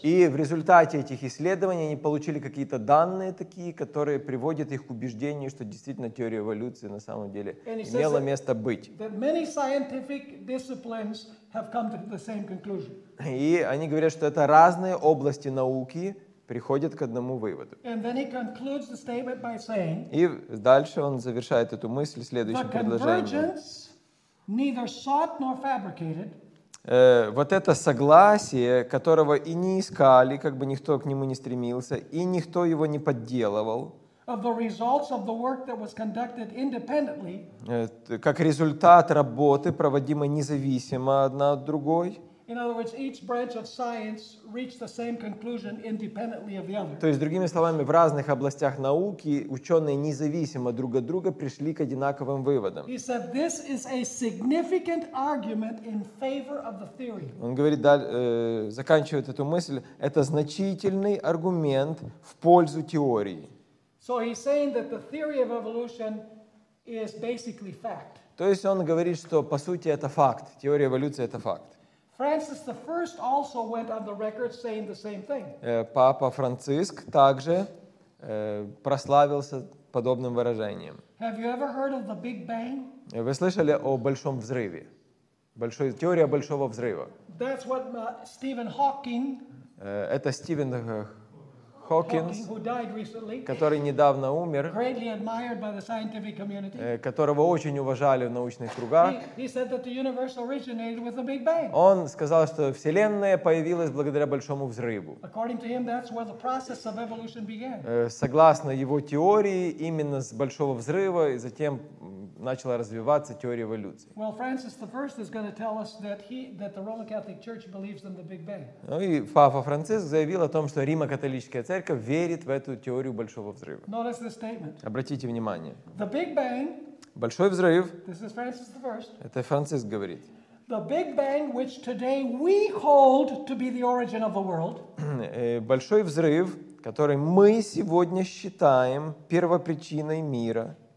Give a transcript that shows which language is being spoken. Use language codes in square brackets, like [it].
[ru] И в результате этих исследований они получили какие-то данные такие, которые приводят их к убеждению, что действительно теория эволюции на самом деле имела место быть. [en] That many scientific disciplines have come to the same conclusion. [ru] И они говорят, что это разные области науки приходят к одному выводу. [en] And then he concludes the statement by saying, [ru] и дальше он завершает эту мысль следующим предложением. [en] The convergence neither sought nor fabricated. [ru] Вот это согласие, которого и не искали, как бы никто к нему не стремился, и никто его не подделывал, как результат работы, проводимой независимо одна от другой. [en] In other words, each branch of science reached the same conclusion independently of the other. [ru] То есть, другими словами, в разных областях науки ученые независимо друг от друга пришли к одинаковым выводам. [en] He said this is a significant argument in favor of the theory. [ru] Он говорит, заканчивает эту мысль, это значительный аргумент в пользу теории. [en] So he's saying that the theory of evolution is basically fact. [ru] То есть он говорит, что по сути это факт, теория эволюции это факт. [en] Francis I also went on the record saying the same thing. [ru] Папа Франциск также прославился подобным выражением. [en] Have you ever heard of the Big Bang? [ru] Вы слышали о большом взрыве? Большой, теория большого взрыва. [en] That's what Stephen Hawking, [ru] это Стивен Хокинс, [en] who died recently, [ru] который недавно умер, [en] greatly admired by the scientific community, [ru] которого очень уважали в научных кругах. [en] He said that the universe originated with the Big Bang. [ru] Он сказал, что Вселенная появилась благодаря большому взрыву. [en] According to him, that's where the process of evolution began. [ru] Согласно его теории, именно с большого взрыва и затем начала развиваться теория эволюции. [en] Well, Francis I is going to tell us that that the Roman Catholic Church believes in the Big Bang. [ru] Ну и Папа Франциск заявил о том, что Римо-католическая церковь верит в эту теорию большого взрыва. [en] Notice this statement. [ru] Обратите внимание. [en] The Big Bang. [ru] Большой взрыв. [en] This is Francis I. [ru] Это Франциск говорит. [en] The Big Bang, which today we hold to be the origin of the world. [ru] Большой взрыв, который мы сегодня считаем первопричиной мира.